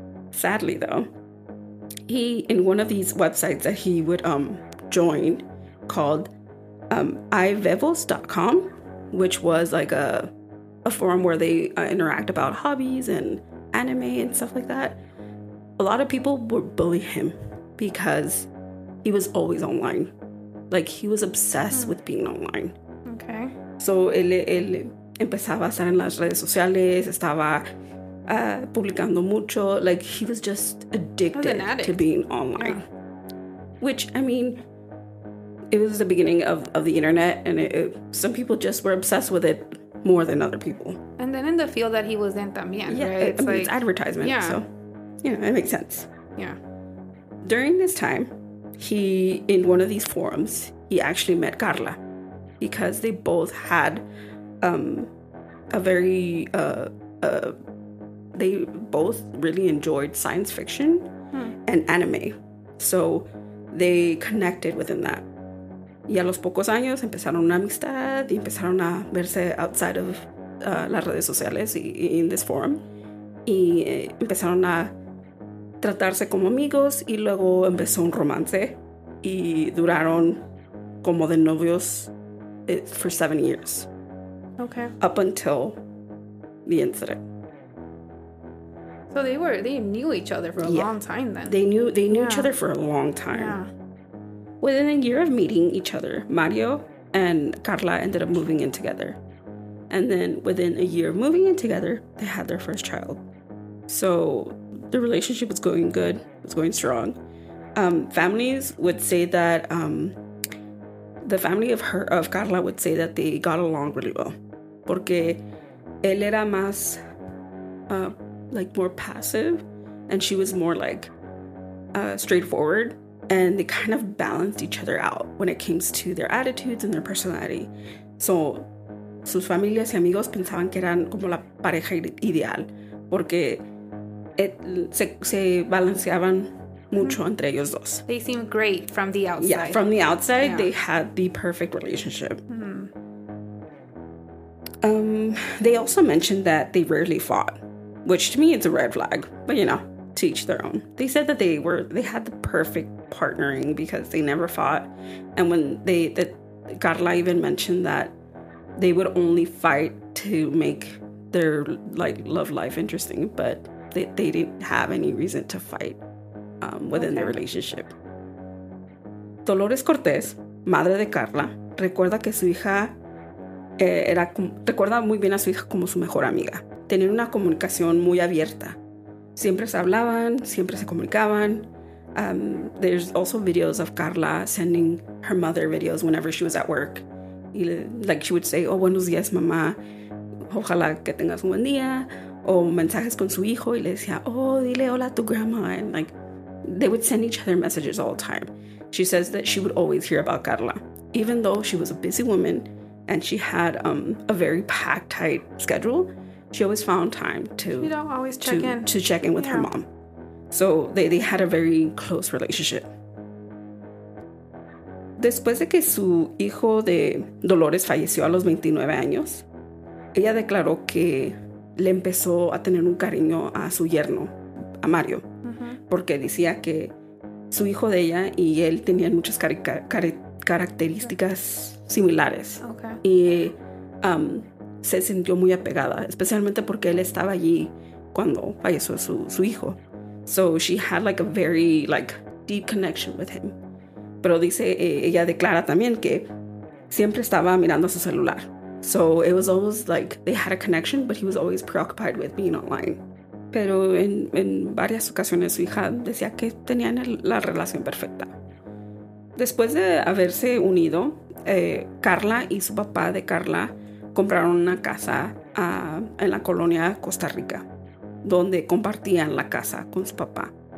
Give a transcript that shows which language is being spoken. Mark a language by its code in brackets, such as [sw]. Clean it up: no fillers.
[en] Sadly though, he, in one of these websites that he would join called ivevos.com, which was like a forum where they interact about hobbies and anime and stuff like that, a lot of people would bully him because he was always online. Like, he was obsessed with being online. Okay. [es] So, él empezaba a estar en las redes sociales, estaba publicando mucho. [en] Like, he was just addicted to being online. Yeah. Which, I mean, it was the beginning of the internet, and it, some people just were obsessed with it more than other people. And then in the field that he was in [es] también, [en] yeah, right? Yeah, I mean, like, it's advertisement, yeah. So, yeah, it makes sense. Yeah. During this time, he, in one of these forums, he actually met Karla, because they both had a very, they both really enjoyed science fiction and anime. So they connected within that. [es] Y a los pocos años empezaron una amistad y empezaron a verse [en] outside of [es] las redes sociales [en] in this forum. [es] Y empezaron a tratarse como amigos y luego empezó un romance y duraron como de novios [en] for 7 years. Okay. Up until the incident. So they knew each other for a long time then. They knew each other for a long time. Yeah. Within a year of meeting each other, Mario and Karla ended up moving in together. And then within a year of moving in together, they had their first child. So the relationship was going good. It was going strong. Families would say that the family of Karla would say that they got along really well. [es] Porque él era más [en] like more passive, and she was more like straightforward, and they kind of balanced each other out when it came to their attitudes and their personality. [es] So sus familias y amigos pensaban que eran como la pareja ideal porque se balanceaban mucho entre ellos dos. [en] They seemed great from the outside. Yeah, from the outside, yeah. They had the perfect relationship. Mm-hmm. They also mentioned that they rarely fought, which to me it's a red flag, but you know, to each their own. They said that they had the perfect partnering because they never fought. And when that Karla even mentioned that they would only fight to make their like love life interesting, but they didn't have any reason to fight within their relationship. [es] Dolores Cortés, madre de Karla, recuerda que su hija recuerda muy bien a su hija como su mejor amiga. Tenían una comunicación muy abierta. Siempre se hablaban, siempre se comunicaban. [en] There's also videos of Karla sending her mother videos whenever she was at work. Y, like she would say, oh, [es] buenos días, mamá. Ojalá que tengas un buen día. O mensajes con su hijo y le decía, oh, dile hola a tu [en] grandma. And like, they would send each other messages all the time. She says that she would always hear about Karla, even though she was a busy woman and she had a very packed, tight schedule. She always found time to check in with her mom. So they had a very close relationship. [es] Después de que su hijo de Dolores falleció a los 29 años, ella declaró que le empezó a tener un cariño a su yerno, a Mario. Uh-huh. Porque decía que su hijo de ella y él tenían muchas características similares. [en] Okay. [es] Y se sintió muy apegada, especialmente porque él estaba allí cuando falleció su hijo. [en] So she had like a very like deep connection with him. [es] Pero dice, ella declara también que siempre estaba mirando su celular. [en] So it was always like they had a connection, but he was always preoccupied with being online. [es] Pero en varias ocasiones su hija decía que tenían la relación perfecta. Después de haberse unido, Karla y su papá de Karla compraron una casa en la colonia Costa Rica, donde compartían la casa con su papá.